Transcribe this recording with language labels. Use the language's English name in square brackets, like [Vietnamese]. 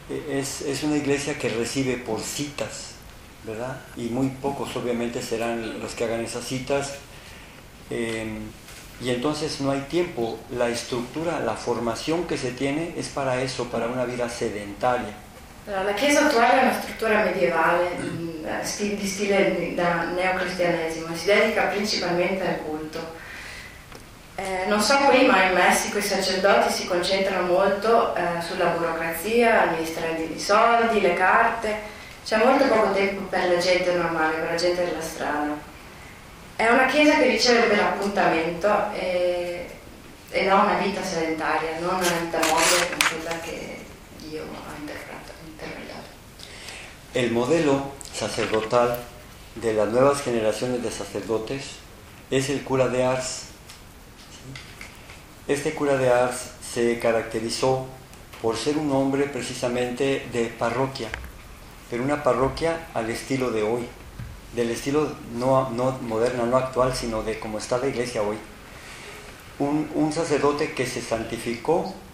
[Spanish] Es una Iglesia que recibe por citas, ¿verdad? Y muy pocos obviamente serán los que hagan esas citas. Y entonces no hay tiempo. La estructura, la formación que se tiene es para eso, para una vida sedentaria. [Italian] La Chiesa attuale è una struttura medievale di stile da neocristianesimo, si dedica principalmente al culto. Non so qui, ma in Messico i sacerdoti si concentrano molto sulla burocrazia, amministrare i soldi, le carte, c'è molto poco tempo per la gente normale, per la gente della strada. È una Chiesa che riceve per appuntamento e non una vita sedentaria, non una vita mobile come quella che io ho interpretato. [Spanish] El modelo sacerdotal de las nuevas generaciones de sacerdotes es el cura de Ars. Este cura de Ars se caracterizó por ser un hombre precisamente de parroquia, pero una parroquia al estilo de hoy, del estilo no moderna, no actual, sino de cómo está la Iglesia hoy. Un sacerdote que se santificó